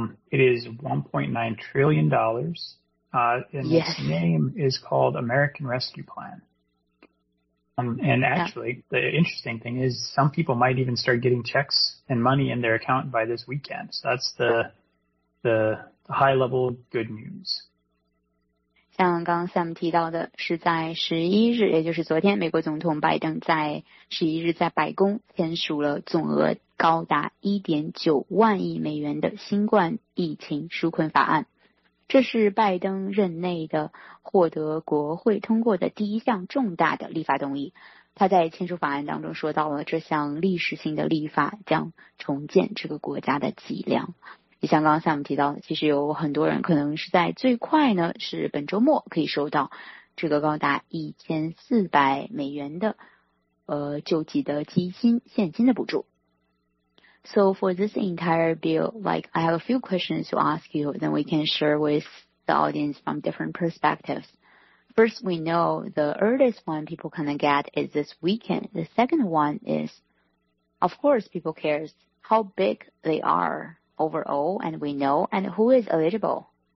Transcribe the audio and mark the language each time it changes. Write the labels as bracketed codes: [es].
[en] It is $1.9 trillion, and yes. Its name is called American Rescue Plan. And actually, yeah. The interesting thing is some people might even start getting checks and money in their account by this weekend. So that's the high-level good news. [zh] 像刚刚 Sam 提到的，是在11日，也就是昨天，美国总统拜登在11日在白宫签署了总额高达 1.9 万亿美元的新冠疫情纾困法案。这是拜登任内的获得国会通过的第一项重大的立法动议。他在签署法案当中说到了，这项历史性的立法将重建这个国家的脊梁。也像刚刚 Sam 提到的，其实有很多人可能是在最快呢，是本周末可以收到这个高达1400美元的救济的基金现金的补助。 [en] So for this entire bill, like I have a few questions to ask you, then we can share with the audience from different perspectives. First, we know the earliest one people can get is this weekend. The second one is, of course, people cares how big they are overall, and we know, and who is eligible?